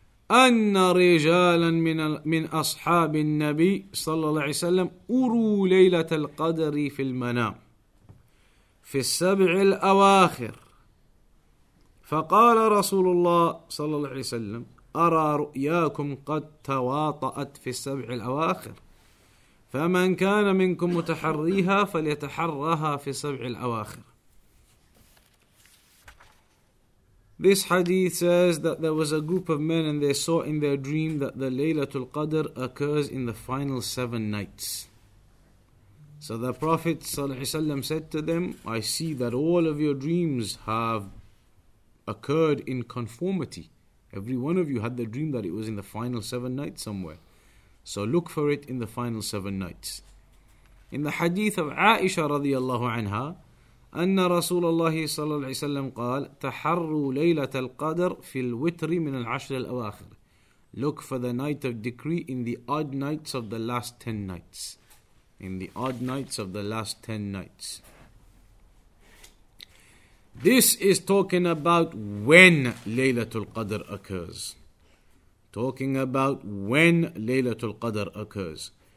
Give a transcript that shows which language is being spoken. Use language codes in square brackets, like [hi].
[ar] أن رجالا من أصحاب النبي صلى الله عليه وسلم أروا ليلة القدر في المنام في السبع الأواخر فقال رسول الله صلى الله عليه وسلم أرى رؤياكم قد تواطأت في السبع الأواخر فمن كان منكم متحريها فليتحرها في السبع الأواخر. [en] This hadith says that there was a group of men and they saw in their dream that the Laylatul Qadr occurs in the final 7 nights. So the Prophet ﷺ said to them, I see that all of your dreams have occurred in conformity. Every one of you had the dream that it was in the final 7 nights somewhere. So look for it in the final 7 nights. In the hadith of Aisha radiallahu anha, [ar] أن رسول الله صلى الله عليه وسلم قال تحروا ليلة القدر في الوتر من العشر الأواخر. [en] Look for the night of decree in the odd nights of the last 10 nights. In the odd nights of the last 10 nights. This is talking about when ليلة القدر occurs. Talking about when ليلة القدر occurs.